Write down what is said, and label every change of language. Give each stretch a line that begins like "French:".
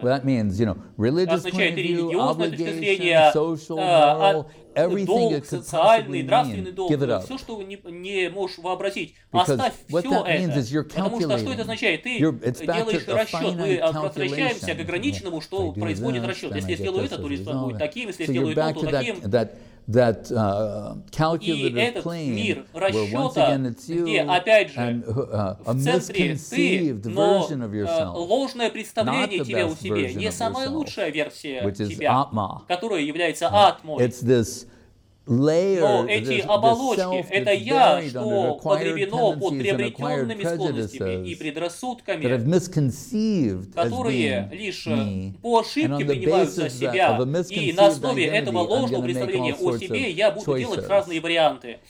Russian: Означает и религиозное точка зрения, долг, социальный, нравственный долг, все, что не можешь вообразить, оставь все это. Потому что что это означает? Ты делаешь расчет, мы возвращаемся к ограниченному, что производит расчет. Если я сделаю это, то результат будет таким, если я сделаю то, то таким.
English: That calculative plane, where once again it's you, and a misconceived version of yourself, not the best version of yourself, which is Atma. It's this
Russian: Но эти оболочки – это я, что погребено под приобретенными склонностями и предрассудками, которые лишь по ошибке принимают за себя. И на основе этого ложного представления о себе я буду делать разные варианты.